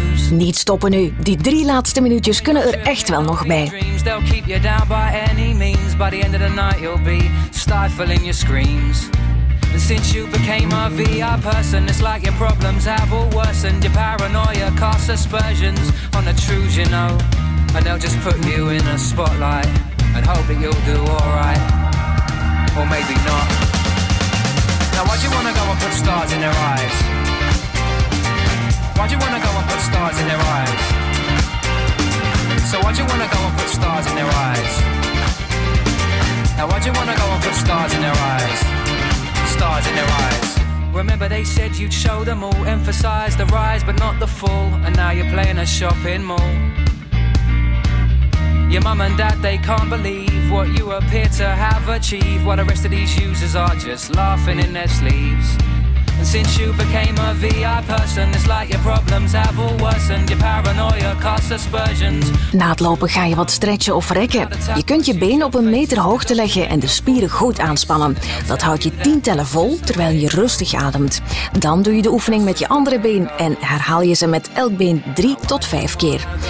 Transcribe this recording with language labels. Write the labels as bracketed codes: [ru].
[nl] Niet stoppen nu. Die 3 laatste minuutjes kunnen er echt wel nog bij. [en] They'll keep you down by any means. By the end of the night you'll be stifling your screams. And since you became a VR person, it's like your problems have all worsened. Your paranoia casts aspersions on the truth, you know. And they'll just put you in a spotlight and hope that you'll do alright. Or maybe not. Now why'd you wanna go and put stars in their eyes? Why'd you wanna go and put stars in their eyes? So why'd you wanna go and put stars in their eyes? Now why'd you wanna go and put stars in their eyes? Stars in their eyes. Remember they said you'd show them all, emphasize the rise but not the fall. And now you're playing a shopping mall. Your mum and dad, they can't believe what you appear to have achieved, while the rest of these users are just laughing in their sleeves. And since you became a VR person, it's like your problems have all worsened. Your paranoia casts aspersions. [nl] Na het lopen ga je wat stretchen of rekken. Je kunt je been op een meter hoogte leggen en de spieren goed aanspannen. Dat houdt je 10 tellen vol terwijl je rustig ademt. Dan doe je de oefening met je andere been en herhaal je ze met elk been 3 tot 5 keer.